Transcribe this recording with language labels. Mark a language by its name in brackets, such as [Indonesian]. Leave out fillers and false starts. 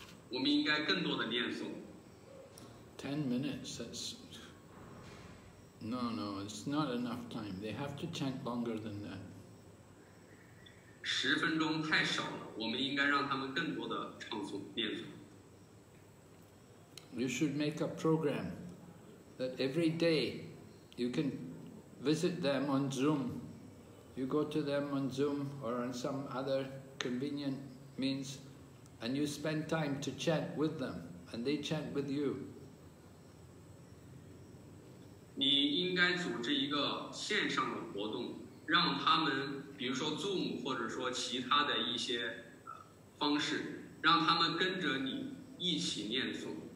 [Chinese] 我们应该更多的念诵。 [English] 10 minutes, that's... No, no, it's not enough time. They have to chant longer than that. [Chinese] 十分钟太少了，我们应该让他们更多的唱诵念诵。 [English] You should make a program that every day you can visit them on Zoom. You go to them on Zoom or on some other convenient means and you spend time to chant with them and they chant with you. [Chinese] 你应该组织一个线上的活动，让他们比如说 Zoom 或者说其他的一些方式，让他们跟着你一起念诵。